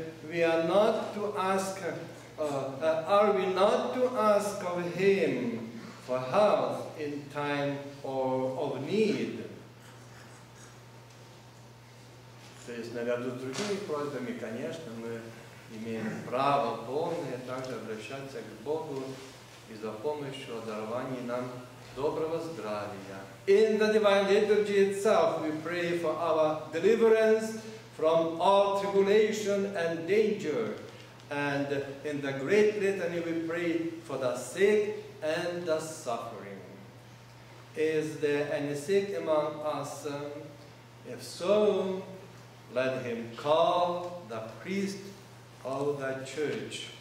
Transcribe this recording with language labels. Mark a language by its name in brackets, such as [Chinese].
[English] We are not to ask, are we not to ask of Him for health in time or of need? [Russian] То есть наряду с другими просьбами, конечно, мы имеем право полное также обращаться к Богу и за помощью одарования нам доброго здравия. [English] In the Divine Liturgy itself, we pray for our deliverance from all tribulation and danger. And in the Great Litany, we pray for the sick and the suffering. Is there any sick among us? If so, let him call the priest of the church.